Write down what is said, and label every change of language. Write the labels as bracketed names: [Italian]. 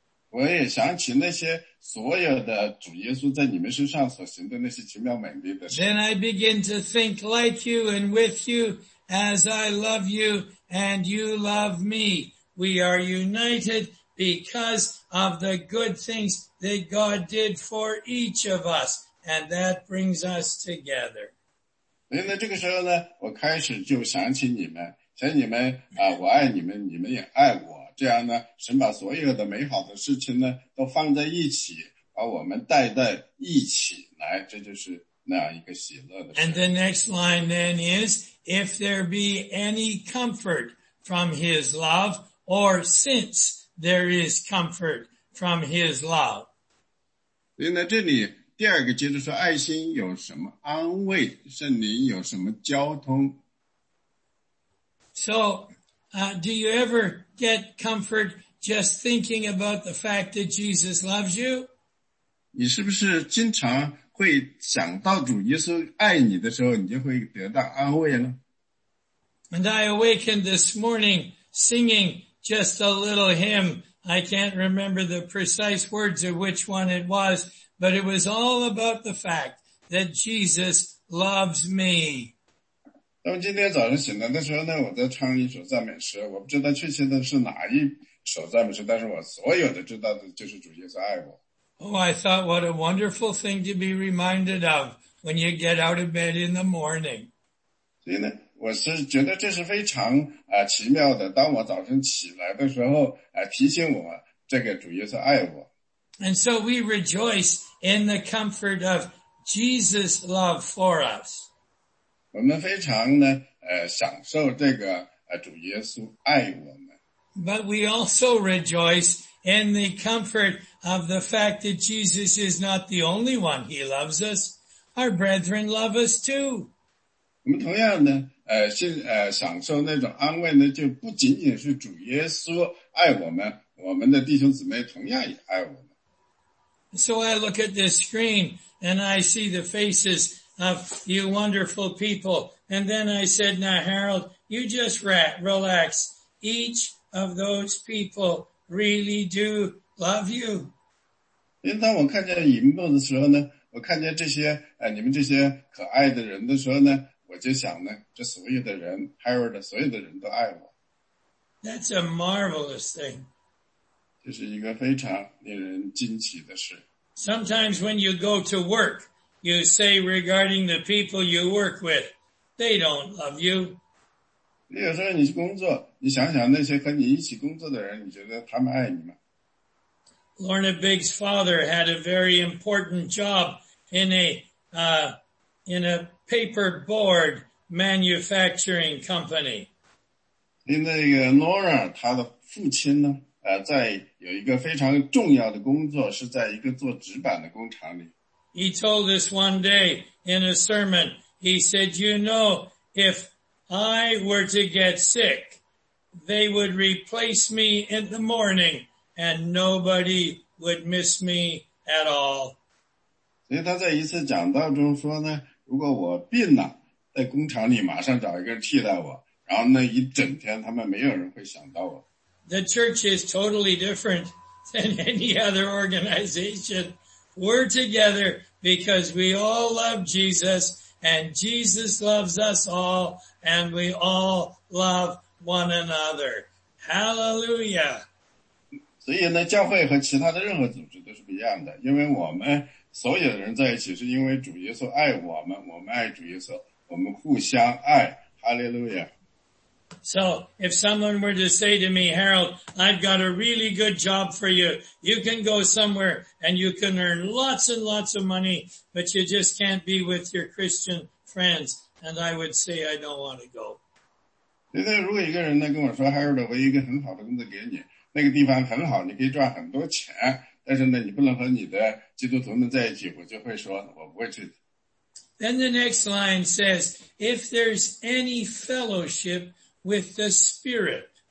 [Chinese] 我也想起那些所有的主耶稣在你们身上所行的那些奇妙美丽的事。 [English] Then I begin to think like you and with you as I love you and you love me. We are united because of the good things that God did for each of us. And that brings us together. [Chinese] 所以呢，这个时候呢，我开始就想起你们，想你们啊，我爱你们，你们也爱我。这样呢，神把所有的美好的事情呢，都放在一起，把我们带在一起来，这就是那样一个喜乐的事。 [English] And the next line then is, if there be any comfort from His love, or since there is comfort from His love. [Chinese] 所以呢，这里第二个接着说，爱心有什么安慰，圣灵有什么交通。 [English] So, do you ever get comfort just thinking about the fact that Jesus loves you? [Chinese] 你是不是经常会想到主耶稣爱你的时候，你就会得到安慰呢？ [English] And I awakened this morning singing just a little hymn. I can't remember the precise words of which one it was, but it was all about the fact that Jesus loves me. [Chinese] 那么今天早上醒来的时候呢，我在唱一首赞美诗，我不知道确切的是哪一首赞美诗，但是我所有的知道的就是主耶稣爱我。 [English] Oh, I thought what a wonderful thing to be reminded of when you get out of bed in the morning. [Chinese] 所以呢，我是觉得这是非常奇妙的，当我早上起来的时候提醒我这个主耶稣爱我。 [English] And so we rejoice in the comfort of Jesus' love for us. [Chinese] 我们非常呢享受这个主耶稣爱我们。 [English] But we also rejoice in the comfort of the fact that Jesus is not the only one. He loves us. Our brethren love us too. [Chinese] 我们同样呢享受那种安慰呢，就不仅仅是主耶稣爱我们，我们的弟兄姊妹同样也爱我们。 [English] So I look at this screen and I see the faces of you wonderful people. And then I said, now Harold, you just relax. Each of those people really do love you. [Chinese] 因为当我看见荧幕的时候呢，我看见这些你们这些可爱的人的时候呢，我就想呢，这所有的人 ,Harold 所有的人都爱我。 [English] That's a marvelous thing. [Chinese] 这是一个非常令人惊奇的事。 [English] Sometimes when you go to work,You say regarding the people you work with, they don't love you. [Chinese] 有时候你去工作，你想想那些和你一起工作的人，你觉得他们爱你吗？ [English] Lorna Bigg's father had a very important job in a paperboard manufacturing company. [Chinese] 因为那个 Lorna 他的父亲呢，在有一个非常重要的工作，是在一个做纸板的工厂里。 [English] He told us one day in a sermon, he said, you know, if I were to get sick, they would replace me in the morning and nobody would miss me at all. [Chinese] 所以他在一次讲道中说呢，如果我病了，在工厂里马上找一个替代我，然后那一整天他们没有人会想到我。 [English] The church is totally different than any other organization. We're together because we all love Jesus and Jesus loves us all and we all love one another. Hallelujah. [Chinese] 所以呢，教会和其他的任何组织都是不一样的，因为我们所有的人在一起是因为主耶稣爱我们，我们爱主耶稣，我们互相爱。Hallelujah. [English] So if someone were to say to me, Harold, I've got a really good job for you. You can go somewhere and you can earn lots and lots of money, but you just can't be with your Christian friends. And I would say, I don't want to go. [Chinese] 如果一个人跟我说, Harold, 我有一个很好的工作给你,那个地方很好,你可以赚很多钱。但是呢,你不能和你的基督徒们在一起,我就会说,我不会去。 [English] Then the next line says, if there's any fellowship with the Spirit.